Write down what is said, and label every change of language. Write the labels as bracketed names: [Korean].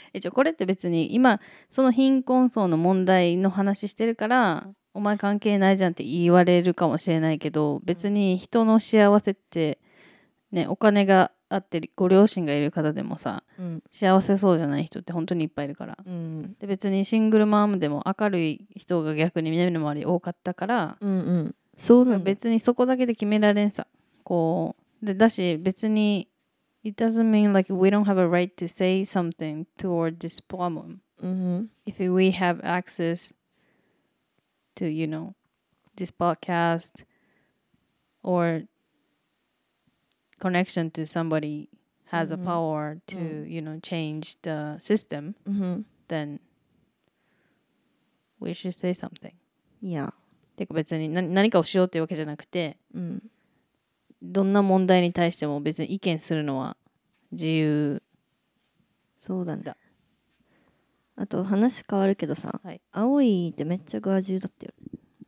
[Japanese] これって別に今その貧困層の問題の話してるからお前関係ないじゃんって言われるかもしれないけど、別に人の幸せってね、お金があってご両親がいる方でもさ、幸せそうじゃない人って本当にいっぱいいるから、で別にシングルマームでも明るい人が逆に南の周り多かったから、そうなん、別にそこだけで決められんさ、こうで、だし別に [English] It doesn't mean like we don't have a right to say something toward this problem、if we have access to, you know, this podcast orconnection to somebody has a power to, you know, change the system, then we should say something. Yeah. [Japanese] てか別に何かをしようというわけじゃなくて、どんな問題に対しても別に意見するのは自由。そうだね。あと話変わるけどさ、青いってめっちゃガジュだったよね。